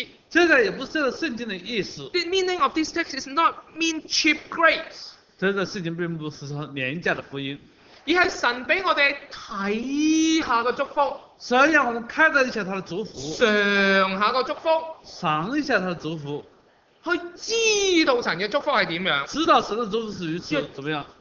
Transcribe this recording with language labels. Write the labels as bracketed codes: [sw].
[zh] 这段也不是这段圣经的意思，这个也不是圣经的意思。 [en] The meaning of this text is not mean cheap grace， [zh] 这个事情并不是说廉价的福音，而是神给我们看下的祝福，神让我们看到一下他的祝福，尝下的祝福，尝一下他的祝福，去知道神的祝福是怎样，知道神的祝福是怎么样。